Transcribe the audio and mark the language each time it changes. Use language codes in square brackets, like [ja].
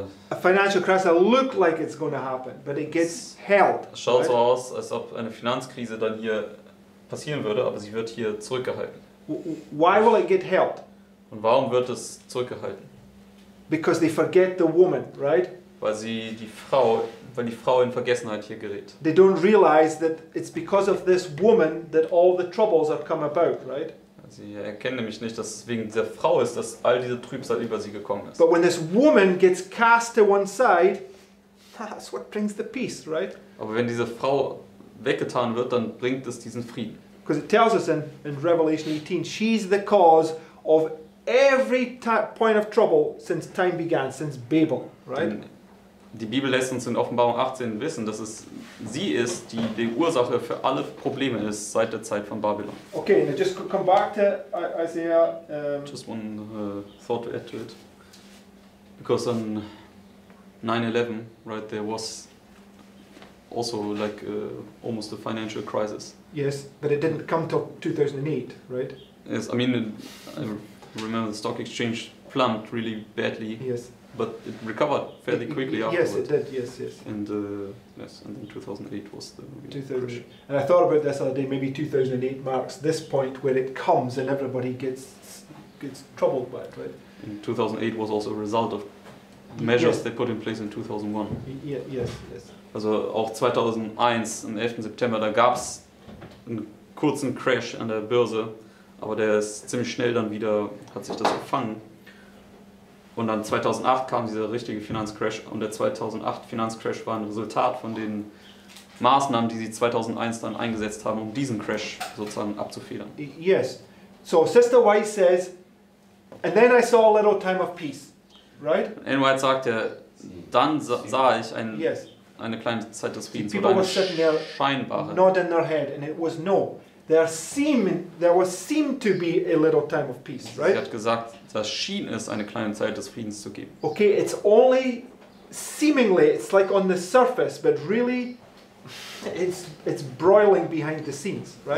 [en] A financial crisis looks like it's going to happen, but it gets held. [de] Es schaut so aus, als ob eine Finanzkrise dann hier passieren würde, aber sie wird hier zurückgehalten. [en] Why will it get held? [de] Und warum wird es zurückgehalten? [en] Because they forget the woman, right? [de] Weil sie die Frau, weil die Frau in Vergessenheit hier gerät. [en] They don't realize that it's because of this woman that all the troubles have come about, right? [de] Sie erkennen nämlich nicht, dass es wegen dieser Frau ist, dass all diese Trübsal über sie gekommen ist. [en] But when this woman gets cast to one side, that's what brings the peace, right? [de] Aber wenn diese Frau weggetan wird, dann bringt es diesen Frieden. [en] Because it tells us in Revelation 18, she's the cause of every point of trouble since time began, since Babel, right? [de] Die Bibel lässt uns in Offenbarung 18 wissen, dass es sie ist, die die Ursache für alle Probleme ist seit der Zeit von Babylon. [en] Okay, now just come back to Isaiah. Just one thought to add to it. Because on 9/11, right, there was also like almost a financial crisis. Yes, but it didn't come till 2008, right? Yes, I mean, I remember the stock exchange plummeted really badly. Yes. But it recovered fairly quickly afterwards. Yes, it did. Yes, yes. And yes, and then 2008 was the crash. And I thought about this the other day. Maybe 2008 marks this point where it comes and everybody gets troubled by it, right? And 2008 was also a result of measures they put in place in 2001. Yes, yes. [de] Also auch 2001 am 11. September, da gab es einen kurzen Crash an der Börse, aber der ist ziemlich schnell dann wieder, hat sich das gefangen. Und dann 2008 kam dieser richtige Finanzcrash und der 2008 Finanzcrash war ein Resultat von den Maßnahmen, die sie 2001 dann eingesetzt haben, um diesen Crash sozusagen abzufedern. [en] Yes. So Sister White says, and then I saw a little time of peace, right? [de] Anne White sagt, ja, dann sah ich eine kleine Zeit des Friedens, [en] people [de] oder eine scheinbare. [en] Not in their head, and it was no. There seemed to be a little time of peace, right? Sie hat gesagt, das schien es eine kleine Zeit des Friedens zu geben. Okay, it's only seemingly, it's like on the surface, but really it's broiling behind the scenes, right?